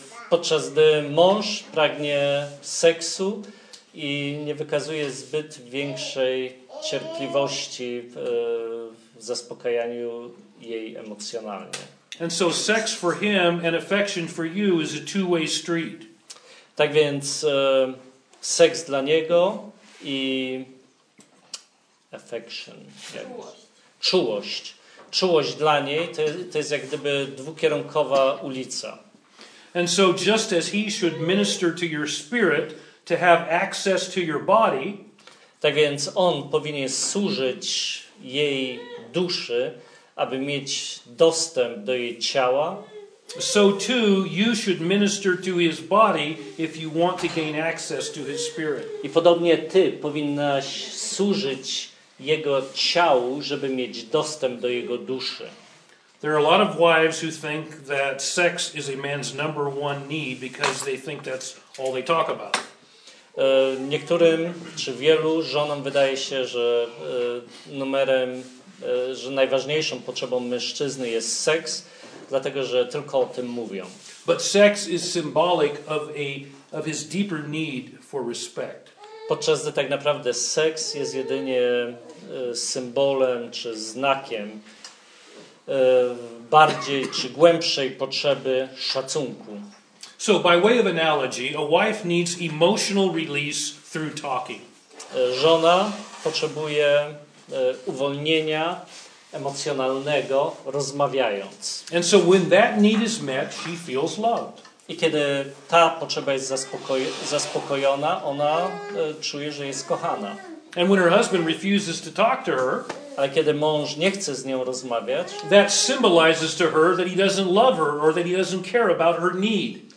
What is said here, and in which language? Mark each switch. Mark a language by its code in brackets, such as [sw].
[pl] Podczas gdy mąż pragnie seksu i nie wykazuje zbyt większej cierpliwości w zaspokajaniu jej emocjonalnie. [en] And so sex for him and affection for you is a two-way street. [pl] Tak więc seks dla niego i affection. Czułość. Czułość dla niej to jest jak gdyby dwukierunkowa ulica. [en] And so just as he should minister to your spirit to have access to your body, [pl] Tak więc on powinien służyć jej duszy, aby mieć dostęp do jej ciała. [en] So too you should minister to his body if you want to gain access to his spirit. [pl] I podobnie ty powinnaś służyć jego ciału, żeby mieć dostęp do jego duszy. [en] There are a lot of wives who think that sex is a man's number one need because they think that's all they talk about. [pl] Niektórym czy wielu żonom wydaje się, że numerem, że najważniejszą potrzebą mężczyzny jest seks, dlatego że tylko o tym mówią. [en] But sex is symbolic of a of his deeper need for respect. [pl] Podczas gdy tak naprawdę seks jest jedynie symbolem czy znakiem bardziej czy głębszej potrzeby szacunku. [en] So by way of analogy, a wife needs emotional release through talking. [pl] Żona potrzebuje uwolnienia emocjonalnego rozmawiając. [en] And so when that need is met, she feels loved. [pl] I kiedy ta potrzeba jest zaspokojona, ona czuje, że jest kochana. [en] And when her husband refuses to talk to her, [pl] ale kiedy mąż nie chce z nią rozmawiać, [en] that symbolizes to her that he doesn't love her or that he doesn't care about her need.